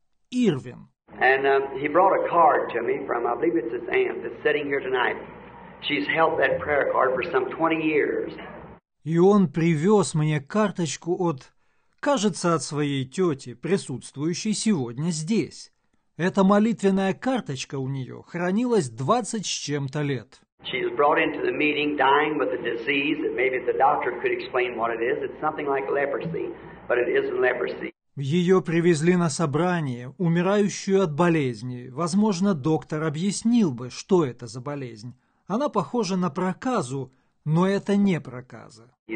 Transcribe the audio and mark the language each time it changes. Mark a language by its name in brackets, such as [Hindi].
[Russian] Ирвин. [English] And he brought a card to me from, I believe it's his aunt, that's sitting here tonight. She's held that prayer card for some 20 years. [Russian] И он привез мне карточку от, кажется, от своей тети, присутствующей сегодня здесь. Эта молитвенная карточка у нее хранилась 20 с чем-то лет. [English] She's brought into the meeting dying with a disease that maybe the doctor could explain what it is. It's something like leprosy, but it isn't leprosy. [Russian] Ее привезли на собрание, умирающую от болезни. Возможно, доктор объяснил бы, что это за болезнь. Она похожа на проказу, но это не проказа.